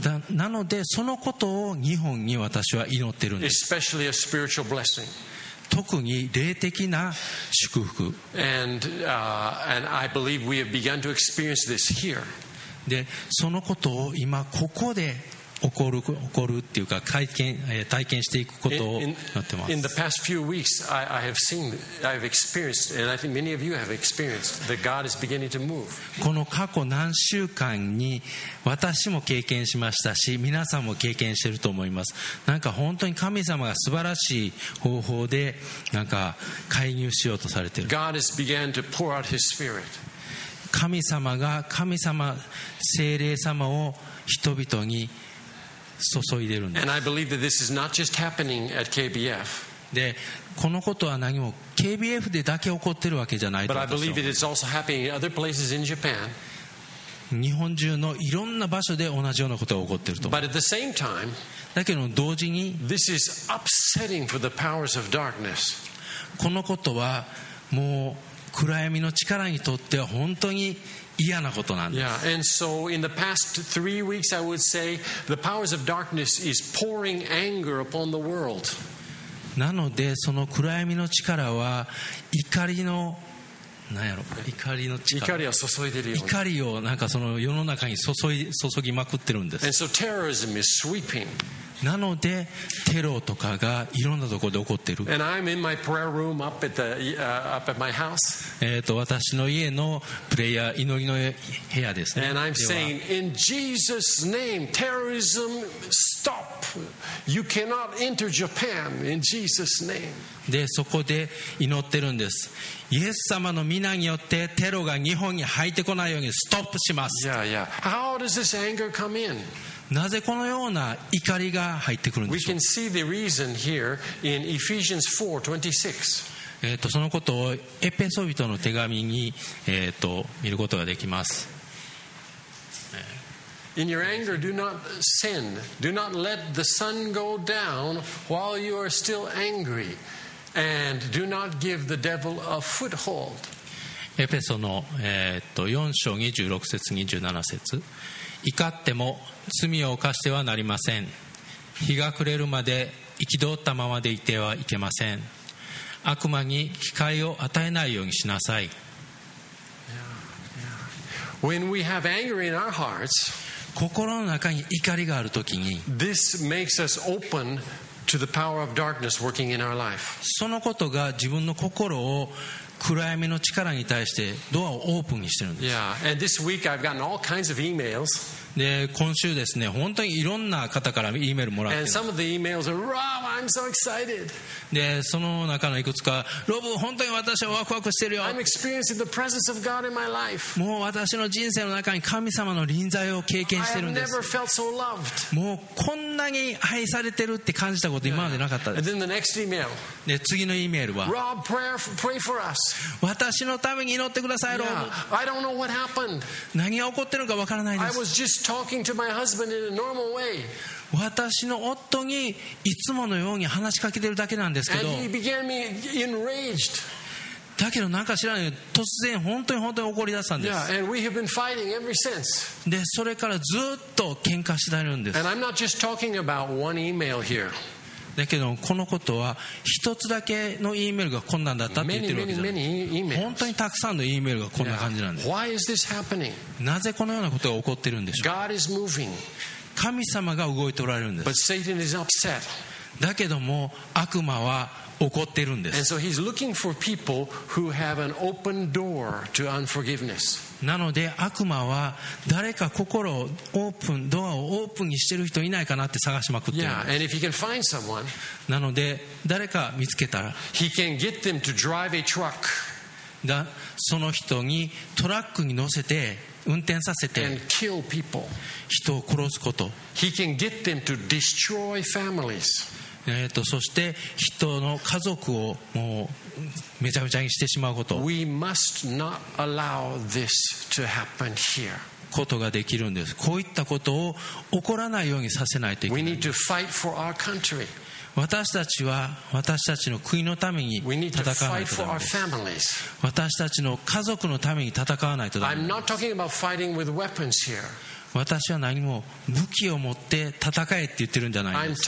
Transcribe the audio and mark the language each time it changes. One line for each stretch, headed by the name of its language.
Japanese: なのでそのことを日本に私は祈っているんです。
English: Especially a spiritual blessing.
Japanese: 特に霊的な祝福。
English: And I believe we have begun to experience this here.
Japanese: で、そのことを今ここで起こるっていうか体験していくことをやってます。
English: In the past few weeks, I've experienced, and I think many of you have experienced that God is beginning to move.
Japanese: この過去何週間に私も経験しましたし、皆さんも経験していると思います。なんか本当に神様が素晴らしい方法でなんか介入しようとされている。
English: God has begun to pour out His Spirit.
Japanese: 神様が神様聖霊様を人々に注いでるんです。
English: And I believe that this is not just happening at KBF.
Japanese: で、このことは何も KBF でだけ起こってるわけじゃないと。
English: But I believe it is also happening in other places in Japan.
Japanese: 日本中のいろんな場所で同じようなことが起こってると。
English: But at the same time,
Japanese: だけど同時に、
English: This is upsetting for the powers of darkness.
Japanese: このことはもう暗闇の力にとっては本当に嫌なことなんです。
English: Yeah, and so in the past three weeks, I would say the powers of darkness is pouring anger upon the world.
Japanese: なのでその暗闇の力は怒りの何やろ、怒りの力。怒りを注いでるよ。怒りをなんかその世の中に注ぎまくってるんです。
English: And so terrorism is sweeping.
Japanese: なのでテロとかがいろんなところで起こってる。
English: And I'm in my prayer room up at the up at my house.
Japanese: 私の家のプレイヤー祈りの部屋ですね。
English: And I'm saying, in Jesus' name, terrorism stop. You cannot enter Japan in Jesus' name.
Japanese: でそこで祈ってるんです。イエス様の皆によってテロが日本に入ってこないようにストップします。
English: Yeah, yeah. How does this anger come in?
Japanese: なぜこのような怒りが入ってくるんでしょう。
English: We can see the reason here in Ephesians 4:26.
Japanese: そのことをエペソ人の手紙に見ることができます。
English: In your anger do not sin. Do not let the sun go down while you are still angry. And do not give the devil a foothold.
Japanese: エペソの4章26節27節怒っても罪を犯してはなりません。日が暮れるまで憤ったままでいてはいけません。悪魔に機会を与えないようにしなさい。
English: When we have anger in our hearts,
Japanese: 心の中に怒りがあるときに
English: This makes us open to the power of darkness working in our life.
Japanese: そのことが自分の心を暗闇の力に対してドアをオープンにしてるんです。
English: Yeah, and this week I've gotten all kinds of emails.
Japanese: で、今週ですね、本当にいろんな方から E メールもらってる。
English: And some of the emails are, Rob, I'm so excited.
Japanese: で、その中のいくつか、ロブ、本当に私はワクワクしてるよ。
English: I'm experiencing the presence of God in my life.
Japanese: もう私の人生の中に神様の臨在を経験してるんです。
English: I have never felt so loved.
Japanese: もうこんなに愛されてるって感じたこと今までなかったです。
English: And then the next email.
Japanese: で、次の E メールは、
English: Rob, pray for us.
Japanese: 私のために祈ってください。ロ
English: ブ、yeah,
Japanese: 何が起こってるのか分からないです。
English: I was just talking to my husband in a normal way.
Japanese: 私の夫にいつものように話しかけてるだけなんですけど。
English: And he began me enraged.
Japanese: だけど何か知らないけど突然本当に怒り出したんです。
English: Yeah, and we have been fighting ever since.
Japanese: でそれからずっと喧嘩してるんです。
English: And I'm not just talking about one email here.
Japanese: だけどこのことは一つだけの E メールが困難だったって言ってるわけじゃない。本当にたくさんの E メールがこんな感じなんです。
English: Why is this happening?
Japanese: なぜこのようなことが起こってるんでしょう。
English: God is moving.
Japanese: 神様が動いておられるんです。
English: But Satan is upset.
Japanese: だけども悪魔は怒ってるんです。
English: And so he's looking for people who have an open door to unforgiveness.
Japanese: なので悪魔は誰か心をオープンドアをオープンにしてる人いないかなって探しまくってる。
English: Yeah, and if he can find someone,
Japanese: なので誰か見つけたら
English: he can get them to drive a truck.
Japanese: だその人にトラックに乗せて運転させて
English: and kill people.
Japanese: 人を殺すこと
English: he can get them to destroy families.
Japanese: そして人の家族をもうめちゃめちゃにしてしまうこと。
English: We must not allow this to happen here.
Japanese: ことができるんです。こういったことを起こらないようにさせないといけない。
English: We need to fight for our country.
Japanese: 私たちは私たちの国のために戦わないとダメです。私たちの家族のために戦わないとダメです。
English: I'm not talking about fighting with weapons here.
Japanese: 私は何も武器を持って戦えって言ってるんじゃないです。